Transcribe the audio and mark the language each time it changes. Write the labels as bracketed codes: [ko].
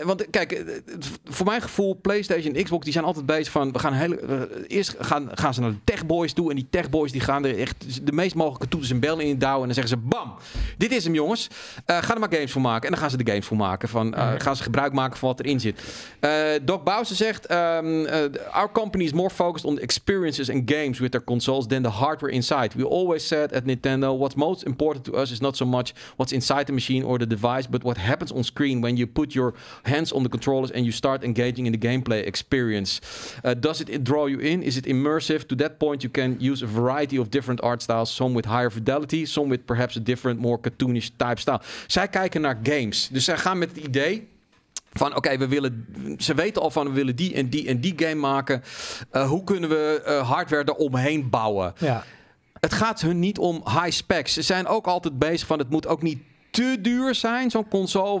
[nl] Want kijk, voor mijn gevoel, PlayStation en Xbox, die zijn altijd bezig van... We gaan eerst gaan ze naar de techboys toe. En die techboys die gaan er echt de meest mogelijke toeters en bellen in daar. jou. En dan zeggen ze, bam, dit is hem jongens. Ga er maar games voor maken. En dan gaan ze de games voor maken. Van, gaan ze gebruik maken van wat erin zit. [en] Doc Bowser [nl] zegt, [en] our company is more focused on the experiences and games with their consoles than the hardware inside. We always said at Nintendo, what's most important to us is not so much what's inside the machine or the device, but what happens on screen when you put your hands on the controllers and you start engaging in the gameplay experience. Does it draw you in? Is it immersive? To that point, you can use a variety of different art styles, some with higher fidelity, some with perhaps a different, more cartoonish type style. [nl] Zij kijken naar games. Dus zij gaan met het idee van, oké, we willen, ze weten al van, we willen die en die en die game maken. Hoe kunnen we hardware eromheen bouwen? Ja. Het gaat hun niet om high specs. Ze zijn ook altijd bezig van, het moet ook niet te duur zijn, zo'n console.